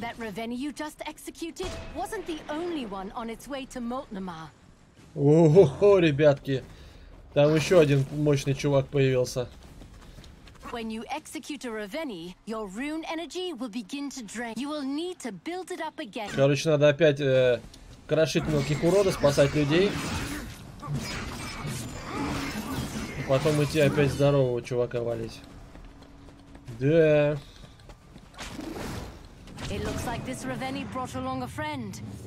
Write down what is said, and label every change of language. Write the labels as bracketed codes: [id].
[en] That Ravenna you just executed wasn't the only one on its way to Multnomah. [ru] О-хо-хо, ребятки. Там еще один мощный чувак появился. [en] When you execute a Ravenna, your rune energy will begin to drain. You will need to build it up again. [ru] Короче, надо опять крошить мелких уродов, спасать людей. И потом идти опять здорового чувака валить. Да. [en] It looks like this Ravenny brought along a friend.